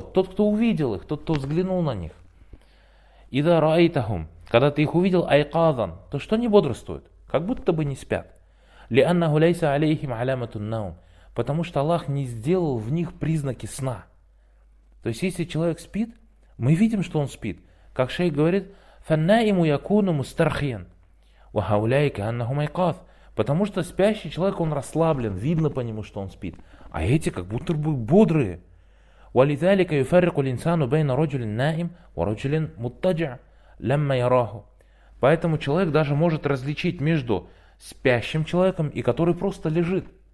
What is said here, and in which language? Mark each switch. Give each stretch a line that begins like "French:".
Russian: Тот, кто увидел их, тот, кто взглянул на них.
Arabic: «Ида ра'айтахум».
Russian: Когда ты их увидел, айкадан, то что они бодрствуют? Как будто бы не спят.
Arabic: لِأَنَّهُ لَيْسَ عَلَيْهِمْ عَلَامَةٌ نَوْمٌ.
Russian: Потому что Аллах не сделал в них признаки сна. То есть, если человек спит, мы видим, что он спит. Как шейх говорит,
Arabic: فَنَّائِمُ يَكُونُ مُسْتَرْخِيًا وَهَوْلَيْكَ أَنَّهُمْ عَيْقَاثٌ.
Russian: Потому что спящий человек, он расслаблен, видно по нему, что он спит. А эти как будто бы бодрые.
Arabic: وَلِذَلِكَ يُفَرِّقُ الْإِنسَانُ بَيْنَ رَجُلٍ نَائِمٍ وَرَجُلٍ مُتَّجِعٍ لَمَّا يَرَاهُ.
Russian: Поэтому человек даже может различить между спящим человеком и который просто лежит.